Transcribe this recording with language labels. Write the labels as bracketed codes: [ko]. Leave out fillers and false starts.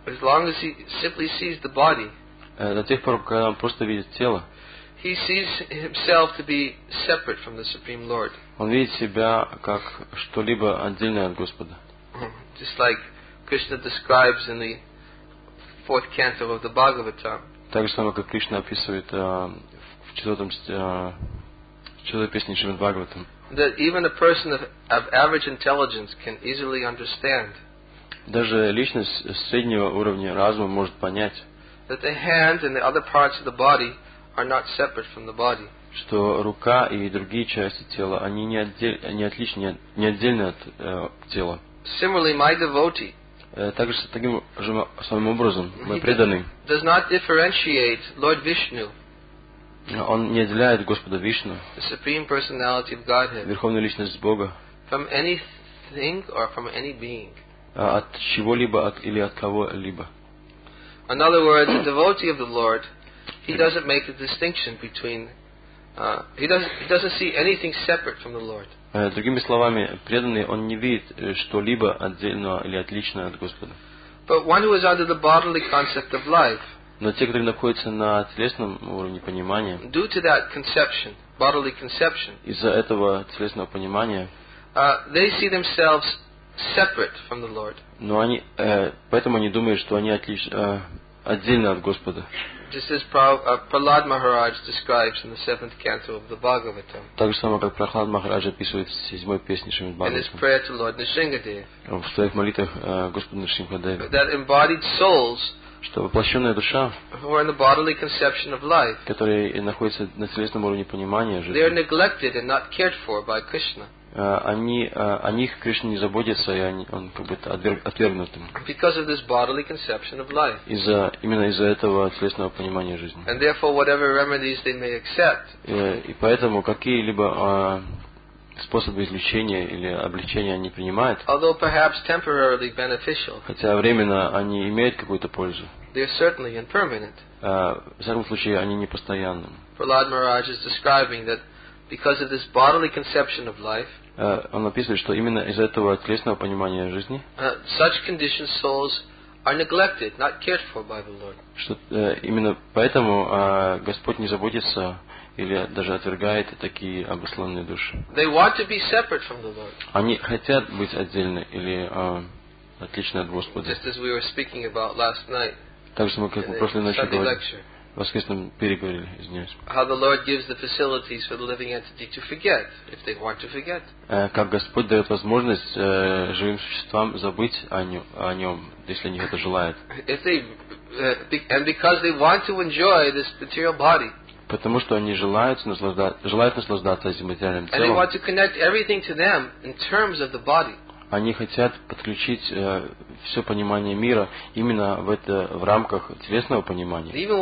[en] As long as he simply sees the body. [ru] До тех пор, когда он просто видит тело. [en] He sees himself to be separate from the Supreme Lord. [ru] Он видит себя как что-либо отдельное от Господа. [en] Just like Krishna describes in the fourth canto of the Bhagavatam. [ru] Так же самое, как Кришна описывает в четвертой песне Шримад Бхагаватам. [en] That even a person of average intelligence can easily understand. [ru] Даже личность среднего уровня разума может понять. [en] That the hand and the other parts of the body are not separate from the body. [ru] Что рука и другие части тела, они не отдельны от тела. [en] Similarly, my devotee. [ru] Также таким же самым образом мы преданы. [en] Does not differentiate Lord Vishnu. [ru] Он не отделяет Господа Вишну. [en] The supreme personality of Godhead. [ru] Верховную личность Бога. [en] From anything or from any being. [ru] От чего-либо или от кого-либо. [en] In other words, a devotee of the Lord. He doesn't make a distinction between he doesn't see anything separate from the Lord. [ru] Другими словами, преданный он не видит что-либо отдельного или отличное от Господа. [en] But one who is under the bodily concept of life. [ru] Но те, которые находятся на телесном уровне понимания. [en] Due to that conception, bodily conception. [ru] Из-за этого телесного понимания. [en] They see themselves separate from the Lord. [ru] Но они поэтому они думают, что они отдельно от Господа. [en] Just as Prahlad Maharaj describes in the seventh canto of the Bhagavatam. [ru] Так же самое, как Прахлад Махарадж описывает в седьмой песне Шримад Бхагаватам. [en] In his prayer to Lord Нисхингадев. [ru] В своих молитвах Господу Нисхингадеве. [en] That embodied souls. [ru] Что воплощенная душа. [en] Who are in the bodily conception of life. [ru] Которые находятся на телесном уровне понимания жизни. [en] They are neglected and not cared for by Krishna. [ru] о них Кришна не заботится, и они, он как бы отвергнут им. [en] Because of this bodily conception of life. [ru] Именно из-за этого телесного понимания жизни. [en] And therefore, whatever remedies they may accept. [ru] И поэтому какие-либо способы излечения или облегчения они принимают. [en] Although perhaps temporarily beneficial. [ru] Хотя временно они имеют какую-то пользу. [en] They are certainly impermanent. [ru] В этом случае они не постоянны. [en] Prahlad Maharaj is describing that because of this bodily conception of life. [ru] Он описывает, что именно из этого телесного понимания жизни. [en] Such conditioned souls are neglected, not cared for by the Lord. [ru] Что именно поэтому Господь не заботится или даже отвергает такие обусловленные души. [en] They want to be separate from the Lord. [ru] Они хотят быть отдельно или отлично от Господа. [en] Just as we were speaking about last night. [ru] Так же мы как бы прошлой ночью говорили. В воскресном переговоре, извиняюсь. [en] How the Lord gives the facilities for the living entity to forget, if they want to forget. [ru] Как Господь дает возможность живым существам забыть о нем, если они это желают. [en] And because they want to enjoy this material body. [ru] Потому что они желают наслаждаться этим материальным телом. [en] And they want to connect everything to them in terms of the body. [ru] Они хотят подключить все понимание мира именно в рамках телесного понимания.